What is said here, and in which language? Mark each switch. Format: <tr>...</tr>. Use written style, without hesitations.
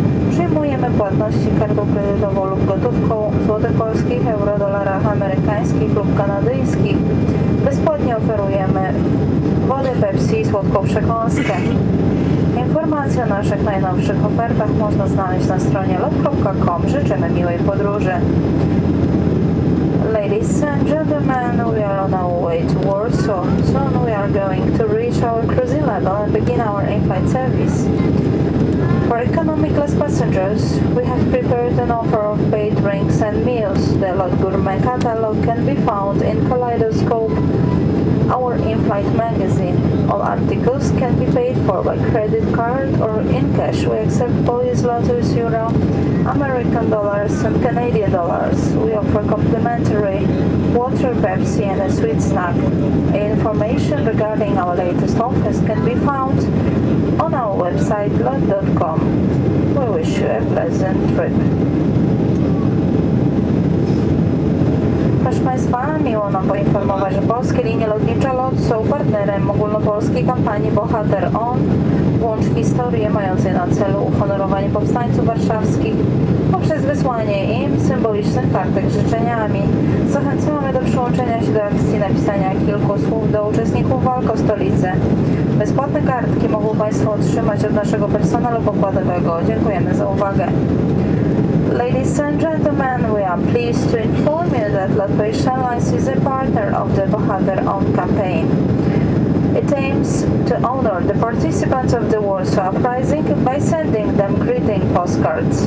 <pl>Przyjmujemy płatności kartą kredytową lub gotówką, złotych polskich, euro, dolarach amerykańskich lub kanadyjskich. Bezpłatnie oferujemy wodę Pepsi i słodką przekąskę. Informacje o naszych najnowszych ofertach można znaleźć na stronie lot.com. Życzymy miłej podróży.</pl> <en>Ladies and gentlemen, we are on our way to Warsaw. Soon we are going to reach our cruising level and begin our in-flight service. For economy class passengers, we have prepared an offer of paid drinks and meals. The Lot Gourmet catalog can be found in Kaleidoscope, our in-flight magazine. All articles can be paid for by credit card or in cash. We accept Polish zlotys, euro, American dollars and Canadian dollars. We offer complimentary water, Pepsi and a sweet snack. Information regarding our latest offers can be found on our website lot.com. We wish you a pleasant trip.</en> <pl>Proszę Państwa, miło nam poinformować, że polskie linie lotnicze LOT są partnerem ogólnopolskiej kampanii Bohater On, Włącz historię, mającej na celu uhonorowanie powstańców warszawskich poprzez wysłanie im symbolicznych kartek z życzeniami. Zachęcamy do przyłączenia się do akcji napisania kilku słów do uczestników walk o stolicę. Bezpłatne kartki mogą Państwo otrzymać od naszego personelu pokładowego. Dziękujemy za uwagę.</pl> <en>Ladies and gentlemen, we are pleased to inform you that Latvian Airlines is a partner of the Bohater On campaign. It aims to honor the participants of the Warsaw Uprising by sending them greeting postcards.</en>